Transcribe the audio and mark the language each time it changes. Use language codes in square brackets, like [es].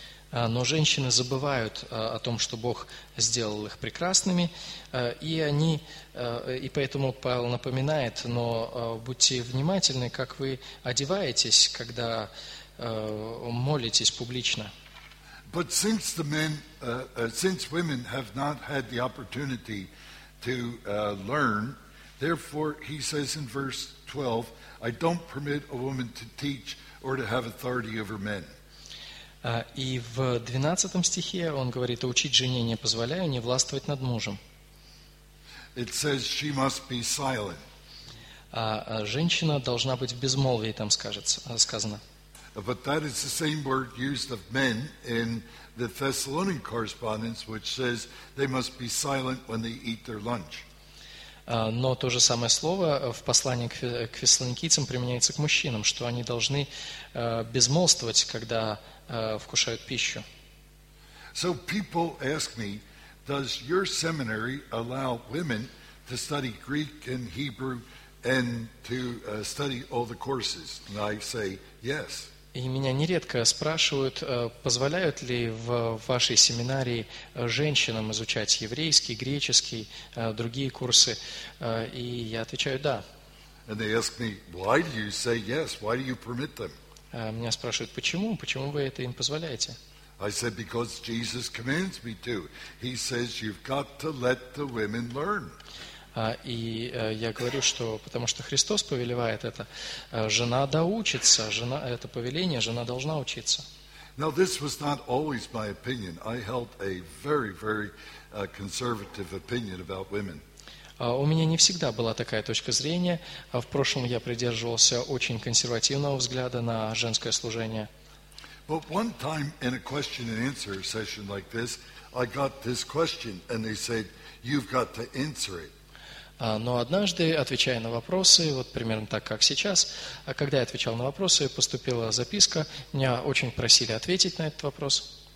[ru] Но женщины забывают о том, что Бог сделал их прекрасными, и они, и поэтому Павел напоминает, но будьте внимательны, как вы одеваетесь, когда молитесь публично. [en] But since the men, since women have not had the opportunity to learn, therefore he says in verse 12, I don't permit a woman to teach or to have authority over men. [ru] И в 12 стихе он говорит, учить жене не позволяю, не властвовать над мужем. [en] It says she must be silent. [ru] Женщина должна быть в безмолвии, там сказано. [en] But that is the same word used of men in the Thessalonian correspondence, which says they must be silent when they eat their lunch. [ru] Но то же самое слово в послании к фессалоникийцам применяется к мужчинам, что они должны безмолвствовать, когда вкушают пищу. [en] So people ask me, does your seminary allow women to study Greek and Hebrew and to study all the courses? And I say, yes. [ru] И меня нередко спрашивают, позволяют ли в вашей семинарии женщинам изучать еврейский, греческий, другие курсы, и я отвечаю «да». [en] And they ask me, why do you say yes? Why do you permit them? [ru] Меня спрашивают, почему? Почему вы это им позволяете? [en] I said, because Jesus commands me to. He says, you've got to let the women learn. [ru] И я говорю, что потому что Христос повелевает это, жена доучится, жена, это повеление, жена должна учиться. [en] Now, this was not always my opinion. I held a very, very conservative opinion about women. [ru] У меня не всегда была такая точка зрения. В прошлом я придерживался очень консервативного взгляда на женское служение. [en] But one time in a question and answer session like this, I got this question, and they said, you've got to answer it. [ru] Но однажды, отвечая на вопросы, вот примерно так, как сейчас, когда я отвечал на вопросы, поступила записка, меня очень просили ответить на этот вопрос.